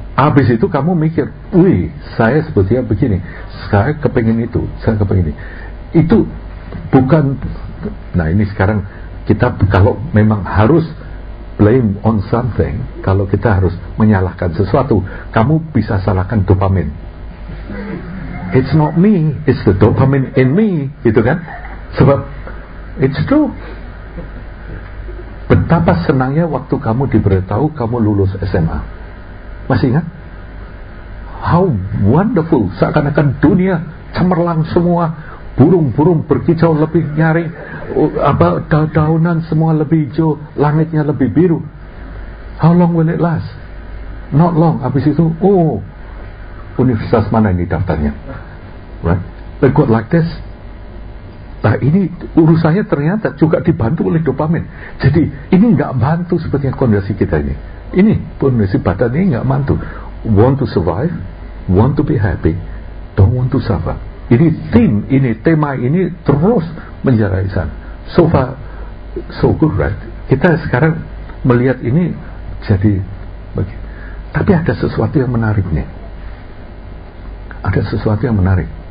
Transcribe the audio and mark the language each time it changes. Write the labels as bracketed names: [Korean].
[Indonesian] Habis itu kamu mikir, wih, saya sebetulnya begini, saya kepengen itu, saya kepengen ini. Itu bukan, nah ini sekarang kita kalau memang harus [English] blame on something, [Indonesian] kalau kita harus menyalahkan sesuatu, kamu bisa salahkan dopamin. [English] It's not me, it's the dopamine in me, [Indonesian] gitu kan? Sebab [English] it's true. [Indonesian] Betapa senangnya waktu kamu diberitahu kamu lulus SMA. Masih ingat? [English] How wonderful, [Indonesian] seakan-akan dunia cemerlang semua. Burung-burung berkicau lebih nyaring, daunan semua lebih hijau, langitnya lebih biru. [English] How long will it last? Not long. [Indonesian] Habis itu, oh, universitas mana ini daftarnya? [English] Right? They got like this. [Indonesian] Nah, ini urusannya ternyata juga dibantu oleh dopamin. Jadi, ini enggak bantu sepertinya kondisi kita ini. Ini, kondisi badan ini enggak bantu. [English] Want to survive, want to be happy, don't want to suffer. [Indonesian] Ini theme, ini tema ini terus menjalani sana. [English] So far, so good, right? [Indonesian] Kita sekarang melihat ini jadi begini. Tapi ada sesuatu yang menarik nih. Ada sesuatu yang menarik.